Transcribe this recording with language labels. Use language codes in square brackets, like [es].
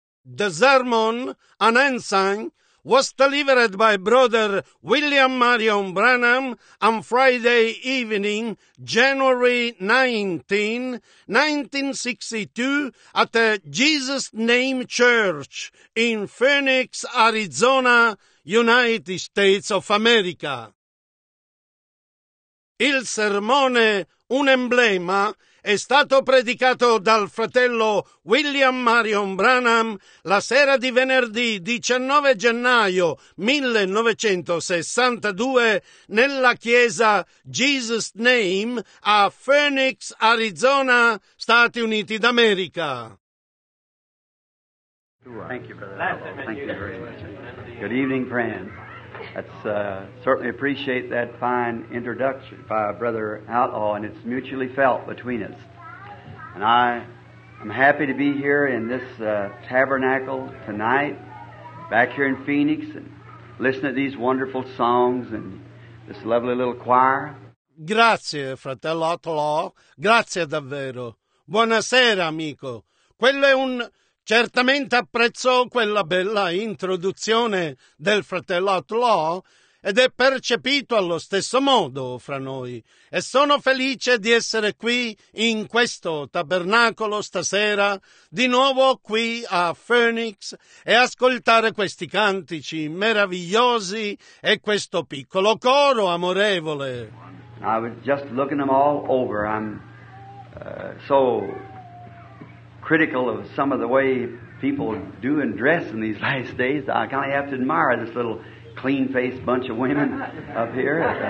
[en] The sermon, an ensign, was delivered by Brother William Marion Branham on Friday evening, January 19, 1962, at the Jesus Name Church in Phoenix, Arizona, United States of America. [it] Il sermone, un emblema, è stato predicato dal fratello William Marion Branham la sera di venerdì 19 gennaio 1962 nella chiesa Jesus Name a Phoenix, Arizona, Stati Uniti d'America. [en] Thank you, brother. Thank you very much. Good evening, friends. That's certainly appreciate that fine introduction by Brother Outlaw, and it's mutually felt between us. And I am happy to be here in this tabernacle tonight, back here in Phoenix, and listen to these wonderful songs and this lovely little choir. [it] Grazie, fratello Outlaw. Grazie davvero. Buonasera, amico. Quello è un... Certamente apprezzo quella bella introduzione del fratello Outlaw ed è percepito allo stesso modo fra noi. E sono felice di essere qui in questo tabernacolo stasera, di nuovo qui a Phoenix, e ascoltare questi cantici meravigliosi e questo piccolo coro amorevole. [en] I was just looking them all over. I'm so... critical of some of the way people do and dress in these last days. I kind of have to admire this little clean-faced bunch of women up here.